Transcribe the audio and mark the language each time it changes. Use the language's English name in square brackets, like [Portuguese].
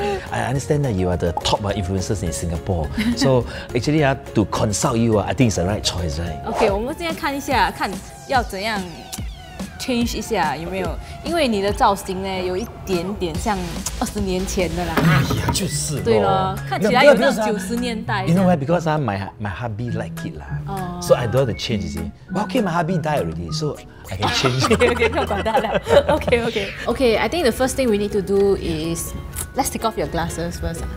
[English] I understand that you are the top influencers in Singapore. So actually, to consult you, I think it's the right choice, right? [Chinese] Okay, 我们现在看一下看要怎样 change 一下有没有 因为你的造型有一点点像二十年前的啦哎呀就是对了看起来有那种九十年代 [English] You know why? Because my hubby like it lah. So I don't want to change, you see. But okay, my hubby died already, so I can change. Okay, I think the first thing we need to do is let's take off your glasses first.